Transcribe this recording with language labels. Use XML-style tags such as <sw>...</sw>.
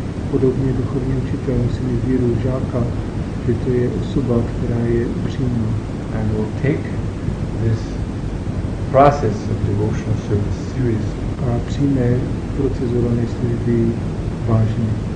<cs>Podobně duchovní učitel musí mít víru žáka, že to je osoba, která je upřímná.</cs> <en>And will take this process of devotional service seriously.</en> <cs>A přijme procesované služby vážně.</cs>